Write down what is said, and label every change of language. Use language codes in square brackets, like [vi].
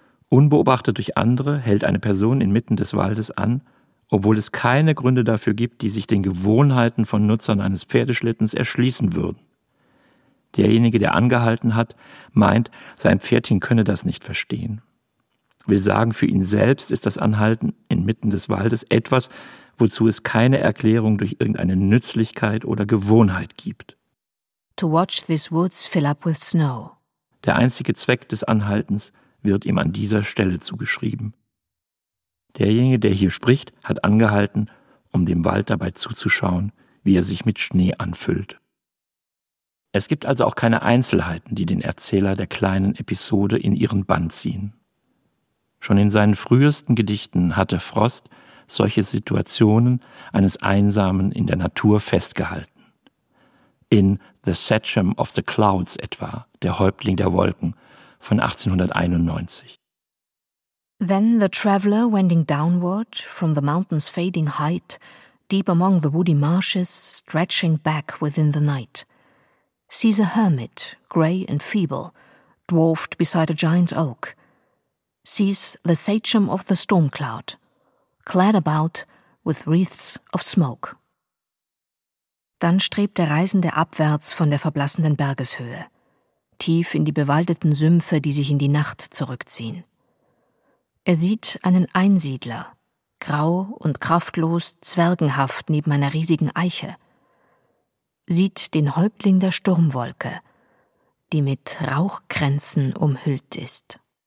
[de] Unbeobachtet durch andere hält eine Person inmitten des Waldes an, obwohl es keine Gründe dafür gibt, die sich den Gewohnheiten von Nutzern eines Pferdeschlittens erschließen würden. Derjenige, der angehalten hat, meint, sein Pferdchen könne das nicht verstehen. Will sagen, für ihn selbst ist das Anhalten inmitten des Waldes etwas, wozu es keine Erklärung durch irgendeine Nützlichkeit oder Gewohnheit gibt. [en] To watch these woods fill up with snow. [de] Der einzige Zweck des Anhaltens wird ihm an dieser Stelle zugeschrieben. Derjenige, der hier spricht, hat angehalten, um dem Wald dabei zuzuschauen, wie er sich mit Schnee anfüllt. Es gibt also auch keine Einzelheiten, die den Erzähler der kleinen Episode in ihren Bann ziehen. Schon in seinen frühesten Gedichten hatte Frost solche Situationen eines Einsamen in der Natur festgehalten. In »The Sachem of the Clouds« etwa, »Der Häuptling der Wolken« von 1891. [en] Then the traveller wending downward from the mountain's fading height, deep among the woody marshes, stretching back within the night, sees a hermit, grey and feeble, dwarfed beside a giant oak, sees the sachem of the storm cloud, clad about with wreaths of smoke. [de] Dann strebt der Reisende abwärts von der verblassenden Bergeshöhe, tief in die bewaldeten Sümpfe, die sich in die Nacht zurückziehen. Er sieht einen Einsiedler, grau und kraftlos, zwergenhaft neben einer riesigen Eiche, sieht den Häuptling der Sturmwolke, die mit Rauchkränzen umhüllt ist.